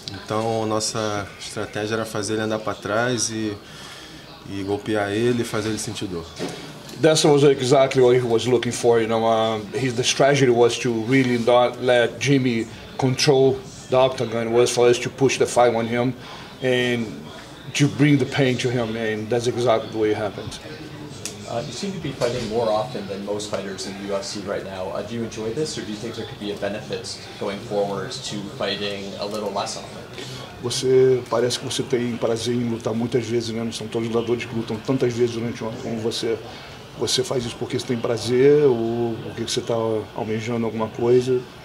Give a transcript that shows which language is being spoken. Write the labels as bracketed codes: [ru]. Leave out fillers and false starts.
[pt] Então, a nossa estratégia era fazer ele andar pra trás e golpear ele e fazer ele sentir dor. [en] That was exactly what he was looking for, you know. The strategy was to really not let Jimmy control the octagon. It was for us to push the fight on him and to bring the pain to him, and that's exactly the way it happened. You seem to be fighting more often than most fighters in the UFC right now. Do you enjoy this, or do you think there could be a benefit going forward to fighting a little less often? [pt] Você parece que você tem prazer em lutar muitas vezes, né? Não são todos os lutadores que lutam tantas vezes durante um ano como você. Você faz isso porque você tem prazer ou porque você está almejando alguma coisa?